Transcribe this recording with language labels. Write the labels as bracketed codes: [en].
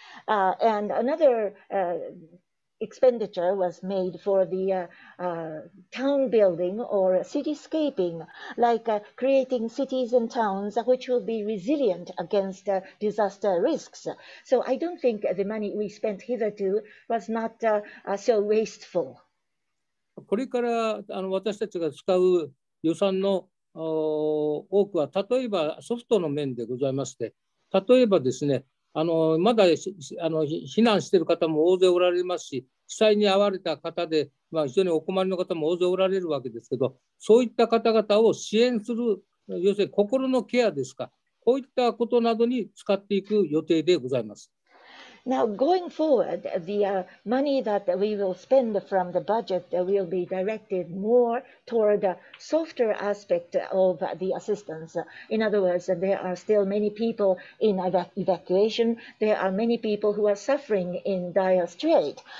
[en] And another expenditure was made for the town building or cityscaping, like creating cities and towns which will be resilient against disaster risks. So I don't think the money we spent hitherto was not so wasteful. [ja] これから私たちが使う予算の多くは、例えばソフトの面でございまして、例えばですね、まだ避難している方も大勢おられますし、被災に遭われた方で、非常にお困りの方も大勢おられるわけですけど、そういった方々を支援する、要するに心のケアですか、こういったことなどに使っていく予定でございます。 [en] Now, going forward, the money that we will spend from the budget will be directed more toward the softer aspect of the assistance. In other words, there are still many people in evacuation. There are many people who are suffering in dire strait.